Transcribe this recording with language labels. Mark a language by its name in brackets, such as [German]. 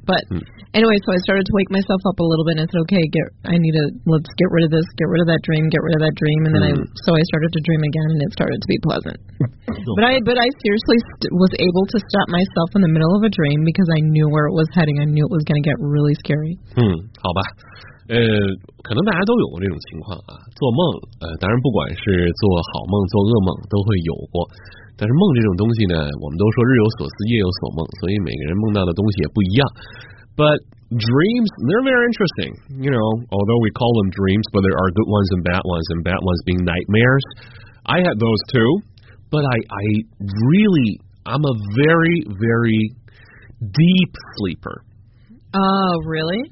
[English] But anyway, so I started to wake myself up a little bit, and I said, okay, let's get rid of this, get rid of that dream, get rid of that dream. And then I started to dream again, and it started to be pleasant. But I seriously was able to stop myself in the middle of a dream because I knew where it was heading. I knew it was going to get really scary. [Chinese] 好吧。可能大家都有过这种情况啊，做梦，当然不管是做好梦、做噩梦都会有过。但是梦这种东西呢，我们都说日有所思，夜有所梦，所以每个人梦到的东西也不一样。 [English] But dreams, they're very interesting. You know, although we call them dreams, but there are good ones and bad ones, and bad ones being nightmares. I had those too, but I'm a very, very deep sleeper. Oh, really?